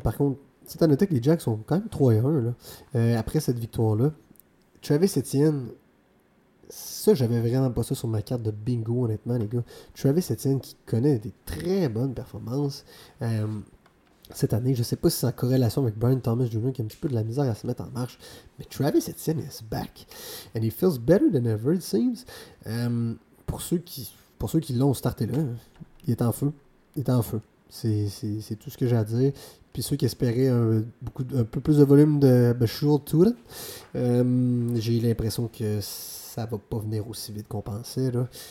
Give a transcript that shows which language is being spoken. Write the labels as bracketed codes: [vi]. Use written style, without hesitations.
[fr] Par contre, c'est à noter que les Jags sont quand même 3-1 là, après cette victoire-là. Travis Etienne, ça, j'avais vraiment pas ça sur ma carte de bingo, honnêtement, les gars. Travis Etienne qui connaît des très bonnes performances. Cette année, je ne sais pas si c'est en corrélation avec Brian Thomas Jr. qui a un petit peu de la misère à se mettre en marche, mais Travis Etienne [en] is back. And he feels better than ever, it seems. [fr] Pour ceux qui l'ont starté là, il est en feu. Il est en feu. C'est tout ce que j'ai à dire. Puis ceux qui espéraient un peu plus de volume de Bashir Tour, j'ai l'impression que ça va pas venir aussi vite qu'on pensait. Là.